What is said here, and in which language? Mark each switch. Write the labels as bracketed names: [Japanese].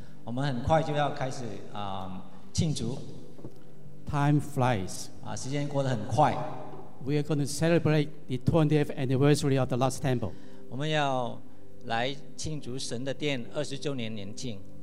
[Chinese] 我们很快就要开始庆祝。 [English] Time flies. [Chinese] 时间过得很快。 [English] We are going to celebrate the 20th anniversary of the Lost Temple. [Chinese] 我们要来庆祝神的殿二十周年年庆。